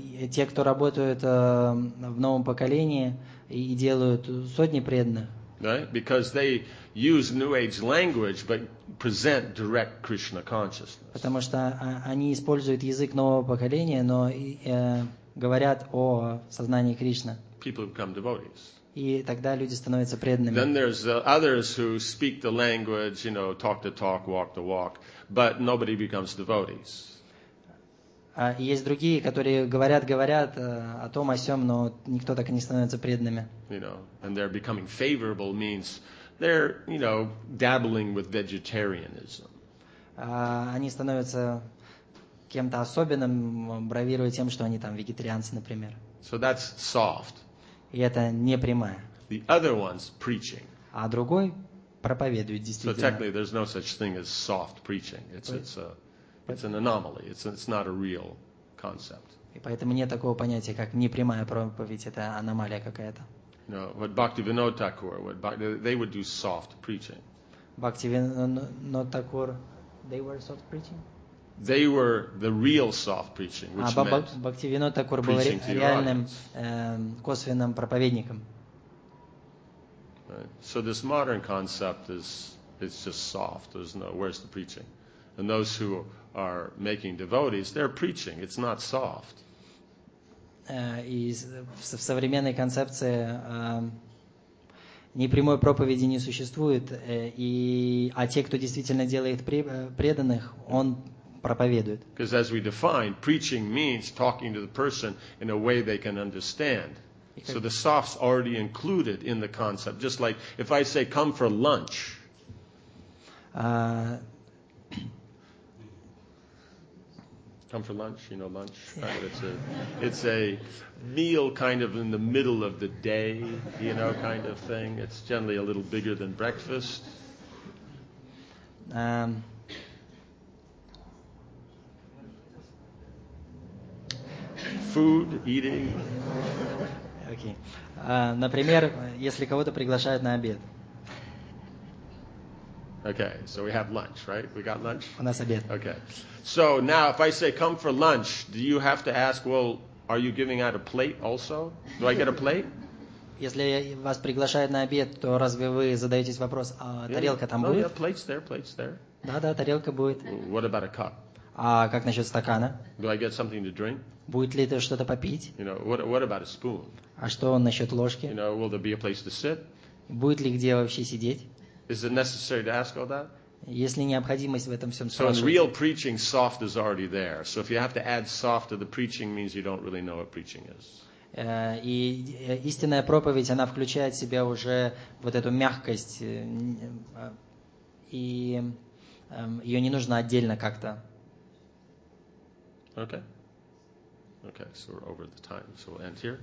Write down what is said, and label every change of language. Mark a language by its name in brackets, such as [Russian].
[Russian] Те, кто работают в новом поколении и делают сотни преданных. [English] Right? Because they use New Age language but present direct Krishna consciousness. [Russian] Потому что они используют язык нового поколения, но говорят о сознании Кришны. [English] People become devotees. [Russian] И тогда люди становятся преданными. [English] Then there's others who speak the language, you know, talk the talk, walk the walk, but nobody becomes devotees. [Russian] Есть другие, которые говорят о том, о сём, но никто так и не становится преданными. [English] You know, and they're becoming favorable means they're, you know, dabbling with vegetarianism. [Russian] Они становятся кем-то особенным, бравируя тем, что они там вегетарианцы, например. [English] So that's soft. [Russian] И это не прямая. [English] The other one's preaching. [Russian] А другой проповедует действительно. [English] So technically there's no such thing as soft preaching. It's an anomaly. It's not a real concept. [Russian] И поэтому нет такого понятия, как непрямая проповедь. Это аномалия какая-то. [English] No, what Bhaktivinod Thakur, they would do soft preaching. Bhaktivinod Thakur, they were soft preaching? They were the real soft preaching, which meant Bhaktivinod [Russian] Thakur был реальным косвенным проповедником. [English] Right. So this modern concept is it's just soft. There's no where's the preaching? And those who are making devotees, they're preaching. It's not soft. И в современной концепции непрямой проповеди не существует, а те, кто действительно делает преданных, он проповедует. Because as we define, preaching means talking to the person in a way they can understand. So the soft's already included in the concept. Just like if I say, come for lunch. Come for lunch, you know, lunch. Right? It's a meal kind of in the middle of the day, you know, kind of thing. It's generally a little bigger than breakfast. Food, eating. Okay. [Russian] Например, если кого-то приглашают на обед. [English] Okay, so we have lunch, right? We got lunch? [Russian] У нас обед. [English] Okay. So now if I say come for lunch, do you have to ask, well, Are you giving out a plate also? Do I get a plate? [Russian] Если вас приглашают на обед, то разве вы задаетесь вопрос, а тарелка там будет? [English] Oh, yeah, plate's there, plate's there. [Russian] Да, тарелка будет. [English] What about a cup? [Russian] А как насчет стакана? [English] Do I get something to drink? [Russian] Будет ли это что-то попить? [English] You know, what about a spoon? [Russian] А что насчет ложки? [English] You know, will there be a place to sit? [Russian] Будет ли где вообще сидеть? [English] Is it necessary to ask all that? [Russian] Есть ли необходимость в этом всем спрашивать? [English] So in real preaching, soft is already there. So if you have to add soft to the preaching, means you don't really know what preaching is. [Russian] И истинная проповедь, она включает в себя уже вот эту мягкость, и ее не нужно отдельно как-то. [English] Okay. Okay, so we're over the time, so we'll end here.